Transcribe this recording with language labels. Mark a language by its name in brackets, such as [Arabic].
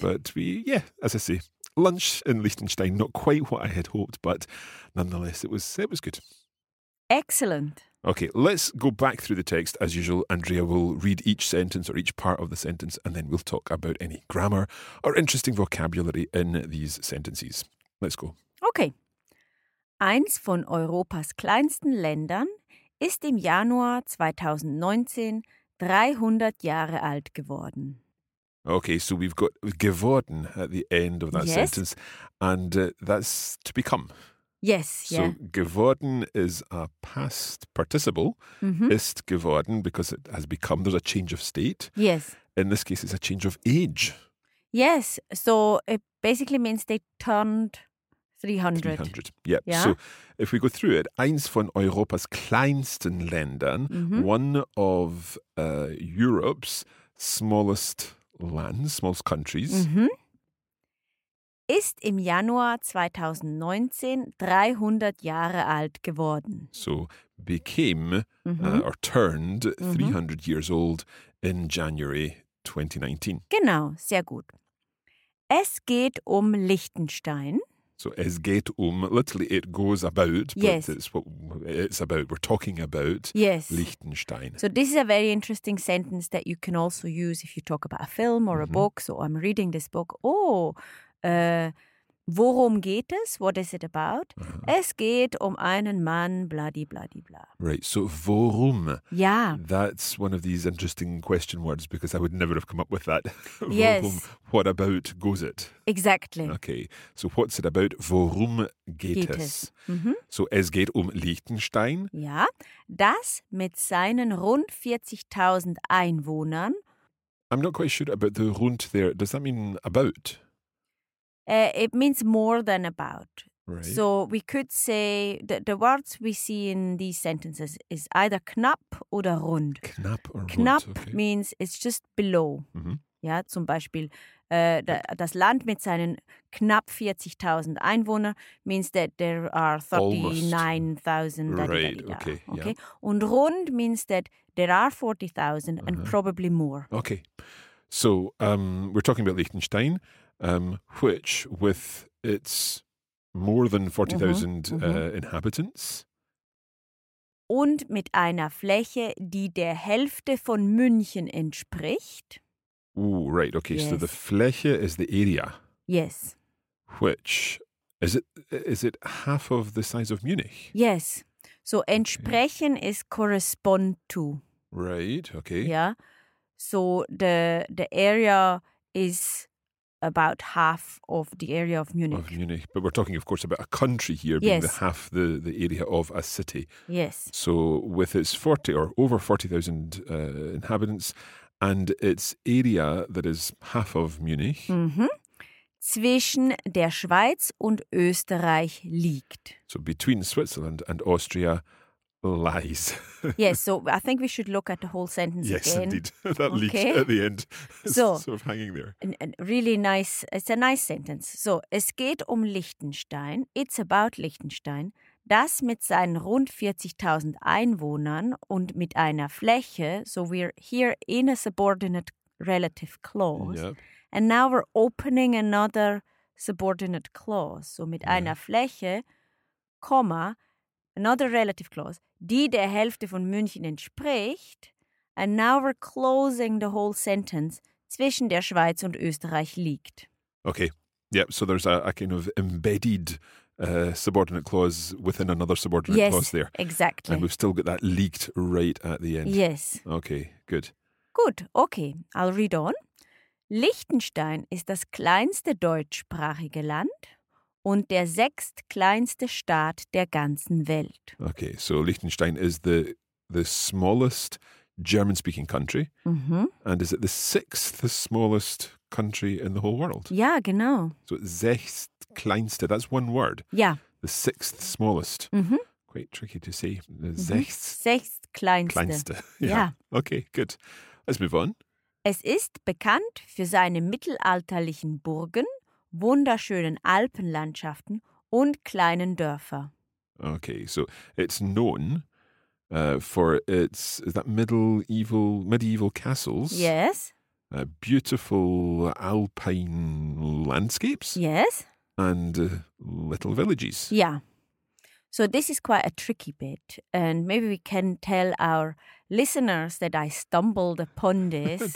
[English] But we, yeah, as I say, lunch in Liechtenstein, not quite what I had hoped, but nonetheless, it was good. Excellent. Okay, let's go back through the text as usual. Andrea will read each sentence or each part of the sentence, and then we'll talk about any grammar or interesting vocabulary in these sentences. Let's go. Okay. [German] Eins von Europas kleinsten Ländern ist im Januar 2019 300 Jahre alt geworden. [English] Okay, so we've got geworden at the end of that sentence, and that's to become. Yes, so yeah. So geworden is a past participle, mm-hmm. ist geworden, because it has become, there's a change of state. Yes. In this case, it's a change of age. Yes, so it basically means they turned 300. 300, yeah. So if we go through it, [German] eins von Europas kleinsten Ländern, [English] mm-hmm. one of Europe's smallest lands, small countries, mm-hmm. [German] ist im Januar 2019 300 Jahre alt geworden. [English] So became mm-hmm. Or turned mm-hmm. 300 years old in January 2019. [German] Genau, sehr gut. Es geht um Liechtenstein. [English] So [German] es geht um, [English] literally it goes about, but yes. It's what it's about. We're talking about yes. Liechtenstein. So this is a very interesting sentence that you can also use if you talk about a film or mm-hmm. a book. So I'm reading this book. Oh, [German] worum geht es? [English] What is it about? Uh-huh. [German] Es geht um einen Mann, [English] bloody, bloody, blah. Right, so worum. Yeah. That's one of these interesting question words because I would never have come up with that. Yes. Worum, what about goes it? Exactly. Okay, so what's it about? [German] Worum geht es? [English] Mm-hmm. [German] So es geht um Liechtenstein. Ja, das mit seinen rund 40.000 Einwohnern. [English] I'm not quite sure about the rund there. Does that mean about? It means more than about. Right. So we could say that the words we see in these sentences is either [German] knapp oder rund. [English] Knapp or rund. Knapp okay. means it's just below. Mm-hmm. [German] Ja, zum Beispiel das Land mit seinen knapp 40.000 Einwohnern [English] means that there are 39,000. Right, da, da, da. Okay. Okay. Yeah. Und rund means that there are 40,000 uh-huh. and probably more. Okay. So we're talking about Liechtenstein. Which, with its more than 40,000 mm-hmm. mm-hmm. inhabitants. [German] Und mit einer Fläche, die der Hälfte von München entspricht. [English] Oh, right, okay, yes. So the Fläche is the area. Yes. Which, is it half of the size of Munich? Yes, so entsprechen okay. is correspond to. Right, okay. Yeah, so the area is about half of the area of Munich. Of Munich. But we're talking, of course, about a country here being yes. the half the area of a city. Yes. So with its 40 or over 40,000 inhabitants and its area that is half of Munich. Mm-hmm. [German] Zwischen der Schweiz und Österreich liegt. [English] So between Switzerland and Austria lies. Yes, so I think we should look at the whole sentence yes, again. Yes, indeed. That okay. leaked at the end. So, sort of hanging there. Really nice. It's a nice sentence. So, [German] es geht um Liechtenstein. [English] It's about Liechtenstein. [German] Das mit seinen rund 40.000 Einwohnern und mit einer Fläche. [English] So, we're here in a subordinate relative clause. Yep. And now we're opening another subordinate clause. So, mit yeah. [German] einer Fläche, [English] comma, another relative clause, [German] die der Hälfte von München entspricht. [English] And now we're closing the whole sentence, [German] zwischen der Schweiz und Österreich liegt. [English] Okay. Yeah, so there's a kind of embedded subordinate clause within another subordinate yes, clause there. Yes, exactly. And we've still got that leaked right at the end. Yes. Okay, good. Good. Okay, I'll read on. [German] Liechtenstein ist das kleinste deutschsprachige Land und der sechstkleinste Staat der ganzen Welt. [English] Okay, so Liechtenstein is the smallest German-speaking country, mm-hmm. and is it the sixth smallest country in the whole world? Yeah, genau. So sechstkleinste, that's one word. Yeah. The sixth smallest. Mm-hmm. Quite tricky to say. Mm-hmm. Sechst. Sechstkleinste. Kleinste. Yeah. Okay, good. Let's move on. [German] Es ist bekannt für seine mittelalterlichen Burgen, wunderschönen Alpenlandschaften und kleinen Dörfer. [English] Okay, so it's known for its, is that medieval castles? Yes. Beautiful alpine landscapes? Yes. And little villages? Yeah. So this is quite a tricky bit, and maybe we can tell our listeners that I stumbled upon this.